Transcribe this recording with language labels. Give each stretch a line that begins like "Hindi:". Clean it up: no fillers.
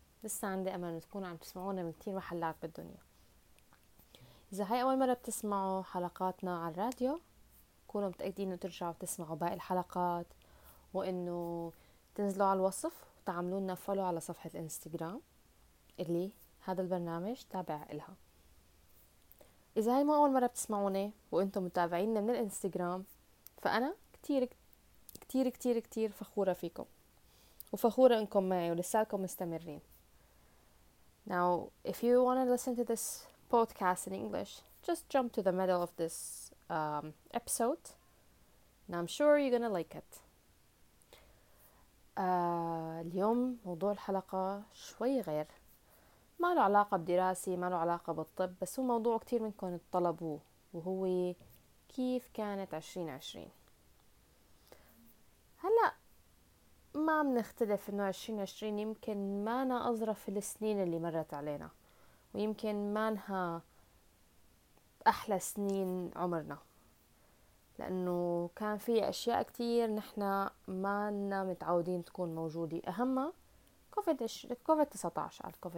Arabic: لسه عندي امل ان تكونوا عم تسمعونا من كتير محلات بالدنيا. اذا هاي اول مره بتسمعوا حلقاتنا على الراديو، كونوا متاكدين انه ترجعوا تسمعوا باقي الحلقات، وانه تنزلوا على الوصف وتعملوا لنا فولو على صفحه الانستغرام اللي هذا البرنامج تابع لها. اذا هاي ما اول مره بتسمعوني وانتم متابعيننا من الانستغرام، فانا كتير كتير كتير كتير فخورة فيكم وفخورة انكم معي ولسالكم مستمرين.
English: Now if you want to listen to this podcast in English, just jump to the middle of this episode and I'm sure you're gonna like it.
Arabic: اليوم موضوع الحلقة شوي غير، ما له علاقة بدراسي، ما له علاقة بالطب، بس هو موضوع كتير منكم طلبوه، وهو كيف كانت 2020. هلأ ما منختلف انه 2020 يمكن ما نا اظرف السنين اللي مرت علينا، ويمكن ما نها احلى سنين عمرنا، لانه كان في اشياء كتير نحنا ما نا متعودين تكون موجودة، اهم كوفيد 19.